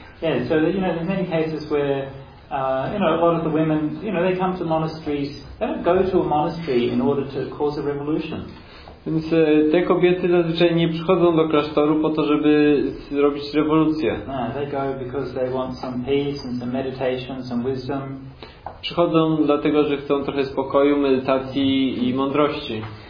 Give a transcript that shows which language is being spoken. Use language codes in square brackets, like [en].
[en] Yeah, so you know, there's many cases where a lot of the women, you know, they come to monasteries, they don't go to a monastery in order to cause a revolution. [pl] Więc te kobiety zazwyczaj nie przychodzą do klasztoru po to, żeby zrobić rewolucję. [en] They go because they want some peace and some meditation, some wisdom. [pl] Przychodzą dlatego, że chcą trochę spokoju, medytacji i mądrości.